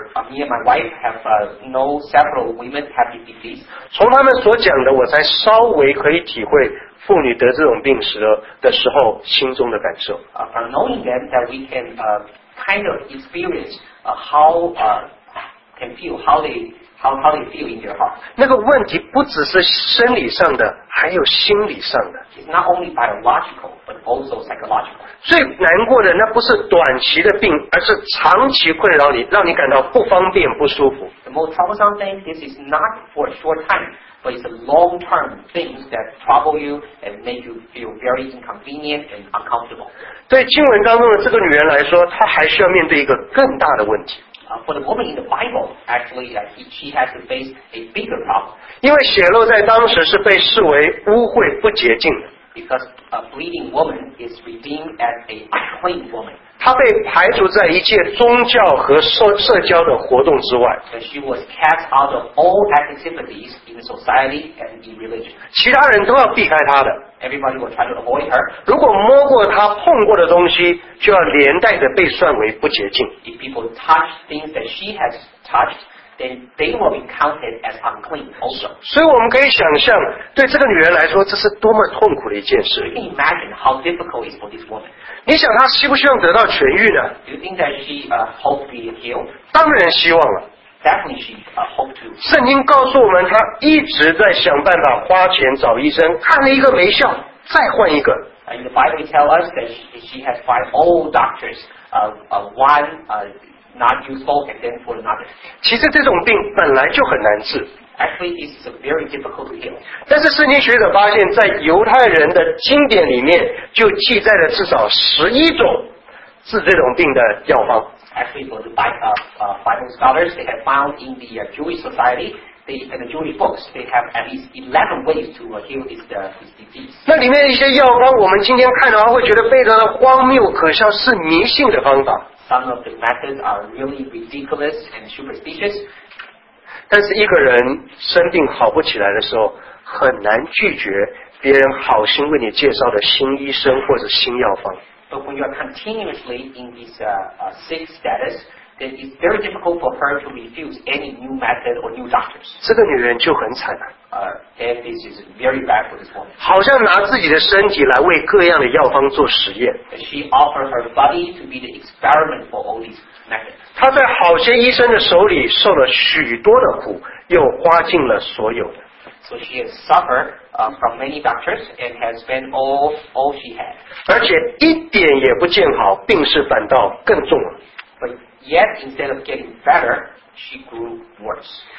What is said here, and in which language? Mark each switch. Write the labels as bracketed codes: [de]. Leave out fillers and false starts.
[en] Me and my wife have know several women have the disease. [zh] 从他们所讲的，我才稍微可以体会。妇女得这种病的时候，心中的感受。 [en] From knowing them, that we can kind of experience how they feel in their heart. [zh] 那个问题不只是生理上的，还有心理上的。 [en] It's not only biological, but also psychological. [zh] 最难过的那不是短期的病，而是长期困扰你，让你感到不方便、不舒服。 [en] The most troublesome thing, this is not for a short time. But it's a long-term things that trouble you and make you feel very inconvenient and uncomfortable. [zh] 对经文当中的这个女人来说，她还需要面对一个更大的问题。 [en] For the woman in the Bible, actually, she has to face a bigger problem. [zh] 因为血漏在当时是被视为污秽不洁净的。 [en] Because a bleeding woman is redeemed as a unclean woman. [zh] 她被排除在一切宗教和社交的活动之外。 [en] And she was cast out of all activities in society and in religion. [zh] 其他人都要避开她的。 [en] Everybody will try to avoid her. [zh] 如果摸过她碰过的东西，就要连带的被算为不洁净。 [en] If people touch things that she has touched,then they will be counted as unclean also. [zh] 所以我们可以想象，对这个女人来说，这是多么痛苦的一件事。 [en] You can imagine how difficult it is for this woman. [zh] 你想她希不希望得到痊愈呢？ [en] Do you think that she hopes to be healed? [zh] 当然希望了。 [en] Definitely she hopes to. [zh] 圣经告诉我们，她一直在想办法花钱找医生，看了一个没效，再换一个。 [en] And the Bible tells us that she has tried all doctors, not useful and then for another. [zh] 其实这种病本来就很难治。 [en] Actually, this is very difficult to heal. [zh] 但是圣经学者发现，在犹太人的经典里面就记载了至少11种治这种病的药方。 [en] Actually, for the Bible scholars, they have found in the Jewish society, in the Jewish books, they have at least 11 ways to heal this disease. [zh] 那里面一些药方，我们今天看的话，会觉得非常的荒谬可笑，是迷信的方法。 [en] Some of the methods are really ridiculous and superstitious. [zh] 但是一个人生病好不起来的时候，很难拒绝别人好心为你介绍的新医生或者新药方。 [en] But when you are continuously in this sick status, then it's very difficult for her to refuse any new method or new doctors. [zh] 这个女人就很惨了。 [en] And this is very bad for this woman. [zh] 好像拿自己的身体来为各样的药方做实验。 [en] She offered her body to be the experiment for all these methods. [zh] 她在好些医生的手里受了许多的苦，又花尽了所有的。 [en] So she has suffered from many doctors and has spent all she had. [zh] 而且一点也不见好，病势反倒更重了。 [en] But yet, instead of getting better,She grew worse.